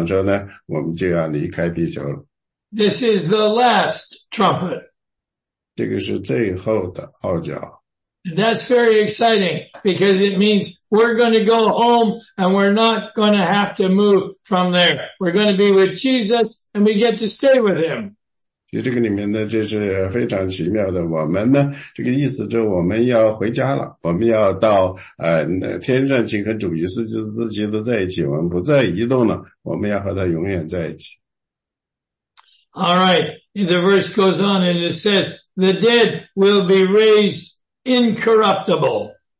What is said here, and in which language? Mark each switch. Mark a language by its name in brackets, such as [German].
[Chinese] 在这个里面呢，就是说呢，在总的来说，就是当你那个听到号角吹响的时候呢，你就要准备开始移动了。所以当我们听到这个号角一吹响的时候呢，我们就要离开地球了。 [English] This is the last trumpet. [Chinese] 这个是最后的号角。 [English] That's very exciting because it means we're going to go home and we're not going to have to move from there. We're going to be with Jesus and we get to stay with him. [Chinese] 其实这个里面呢，这是非常奇妙的。我们呢，这个意思就是我们要回家了，我们要到天上去和主耶稣基督在一起，我们不再移动了，我们要和他永远在一起。 [English] All right, the verse goes on and it says, the dead will be raised incorruptible.